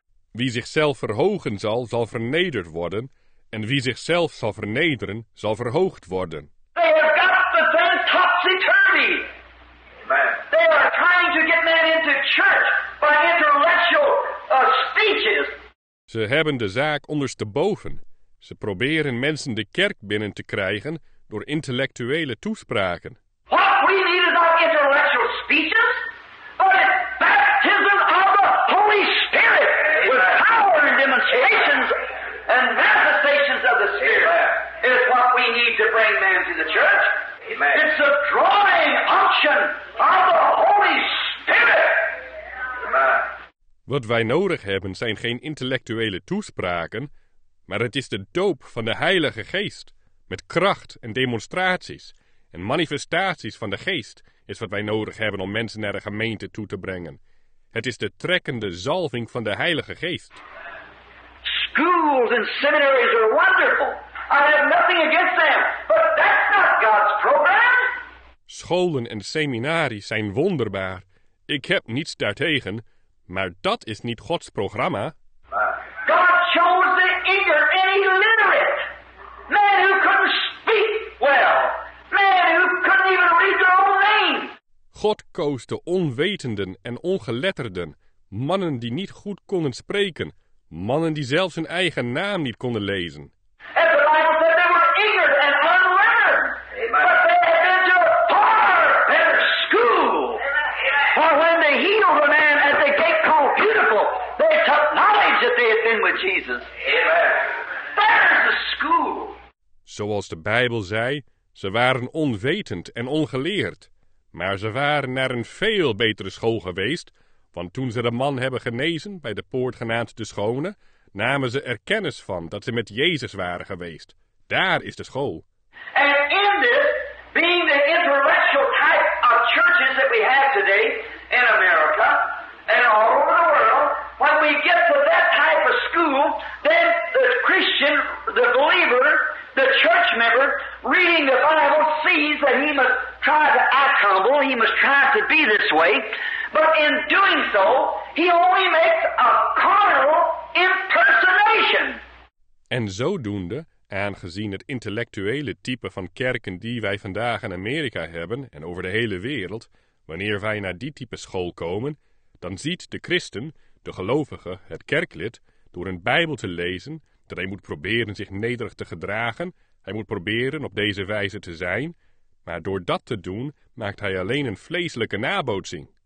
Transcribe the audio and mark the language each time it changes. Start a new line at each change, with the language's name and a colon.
Dutch: Wie zichzelf verhogen zal, zal vernederd worden. En wie zichzelf zal vernederen, zal verhoogd worden.
English: They have got the thing topsy-turvy. They are trying to get men into church by intellectual speeches.
Dutch: Ze hebben de zaak ondersteboven. Ze proberen mensen de kerk binnen te krijgen door intellectuele toespraken.
English: What we need is not intellectual speeches, but it's baptism of the Holy Spirit. Demonstrations and manifestations of the Spirit. Amen. Is what we need to bring men to the church. Amen. It's a drawing unction of the Holy Spirit. Amen.
Dutch: Wat wij nodig hebben zijn geen intellectuele toespraken, maar het is de doop van de Heilige Geest. Met kracht en demonstraties en manifestaties van de Geest is wat wij nodig hebben om mensen naar de gemeente toe te brengen. Het is de trekkende zalving van de Heilige Geest.
English: Schools and seminaries are wonderful. I have nothing against them, but that's not God's program.
Dutch: Scholen en seminaries zijn wonderbaar. Ik heb niets daartegen, maar dat is niet Gods programma.
English: God chose the ignorant and illiterate. Men who couldn't speak well. Men who couldn't even read their own name.
Dutch: God koos de onwetenden en ongeletterden, mannen die niet goed konden spreken, mannen die zelfs hun eigen naam niet konden lezen.
English: And the Bible said they were ignorant and unlettered. Amen. But they had been to a far better school. For when they healed a man at the gate called Beautiful, they took knowledge that they had been with Jesus. Amen. There's the school.
Dutch: Zoals de Bijbel zei, ze waren onwetend en ongeleerd. Maar ze waren naar een veel betere school geweest, want toen ze de man hebben genezen bij de poort genaamd de Schone, namen ze er kennis van dat ze met Jezus waren geweest. Daar is de school.
English: And in this, being the intellectual type of churches that we have today in America and all over the world, when we get to that type of school, then the Christian, the believer, the church member, reading the Bible, sees that he must try to act humble, he must try to be this way, but in doing so, he only makes a carnal impersonation.
Dutch: En zodoende, aangezien het intellectuele type van kerken die wij vandaag in Amerika hebben en over de hele wereld, wanneer wij naar die type school komen, dan ziet de christen, de gelovige, het kerklid, door een Bijbel te lezen, dat hij moet proberen zich nederig te gedragen, hij moet proberen op deze wijze te zijn, maar door dat te doen, maakt hij alleen een vleeselijke nabootsing.